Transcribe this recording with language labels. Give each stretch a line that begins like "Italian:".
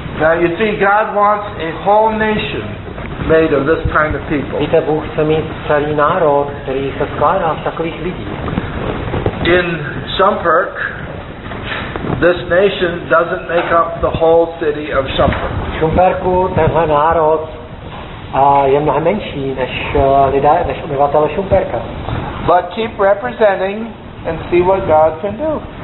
English: Now you see, God wants a whole nation made of this kind of people.
Czech: Víte, Bůh chce mít celý národ, který se skládá z takových lidí.
English: In Shumpirk, this nation doesn't make up the whole city of Shumpirk.
Czech: Šumperku, tenhle národ je mnohem menší než obyvatele Šumperka.
English: But keep representing and see what God can do.